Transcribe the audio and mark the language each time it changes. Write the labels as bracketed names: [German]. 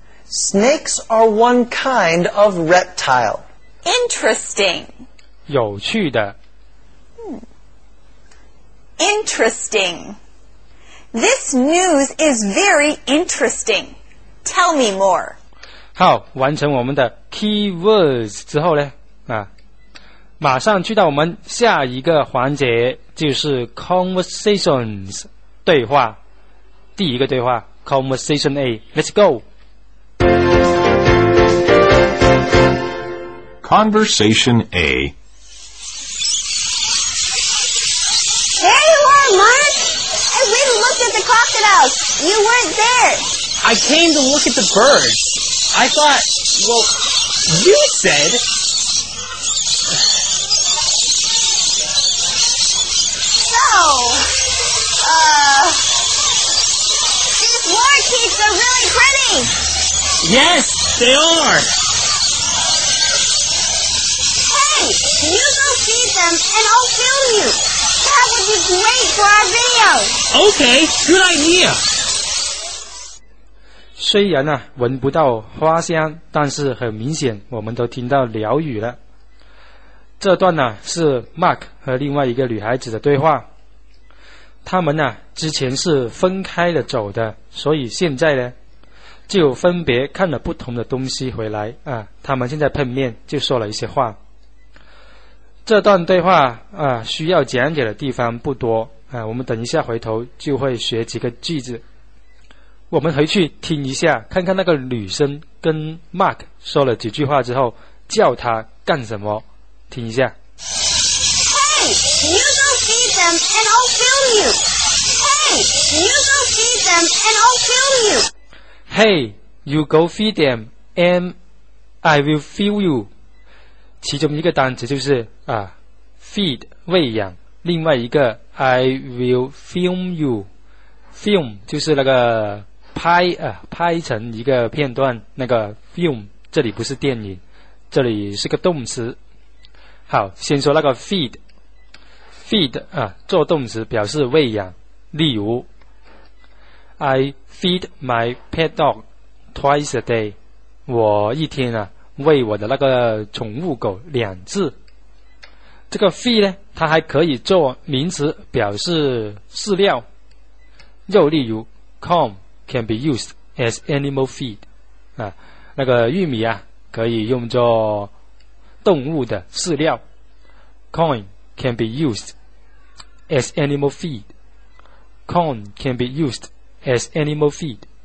[English] Snakes are one kind of reptile. Interesting. [Chinese] 有趣的。 [English] Interesting. This news is very interesting. Tell me more. [Chinese] 好，完成我们的 key words 之后呢，马上去到我们下一个环节，就是 conversations 对话。第一个对话 [English] conversation A， let's go. Conversation A. There you are, Mark. And we looked at the crocodiles. You weren't there. I came to look at the birds. I thought, well, you said... So, these warakeets are really pretty! Yes, they are! Hey, you go feed them and I'll film you! That would be great for our video! Okay, good idea! [Chinese] 虽然啊闻不到花香，但是很明显我们都听到鸟语了。这段呢、是 Mark 和另外一个女孩子的对话。他们呢、之前是分开了走的，所以现在呢就分别看了不同的东西回来啊。他们现在碰面就说了一些话。这段对话啊需要讲解的地方不多啊，我们等一下回头就会学几个句子。我们回去听一下，看看那个女生跟 Mark 说了几句话之后叫她干什么。听一下。 [English] Hey, you go feed them and I'll film you. Hey, you go feed them and I'll film you. Hey, you go feed them and I will film you. [Chinese] 其中一个单词就是feed 喂养，另外一个 [English] I will film you. [Chinese] Film 就是那个拍成一个片段，那个 film， 这里不是电影，这里是个动词。好，先说那个 feed 啊，做动词表示喂养。例如 ， [English] I feed my pet dog twice a day， [Chinese] 我一天啊喂我的那个宠物狗两次。这个 feed 呢，它还可以做名词，表示饲料。又例如 corn。 [English] Can be used as animal feed. [Chinese] 那个玉米啊可以用作动物的饲料。 [English] Corn can be used as animal feed. Corn can be used as animal feed.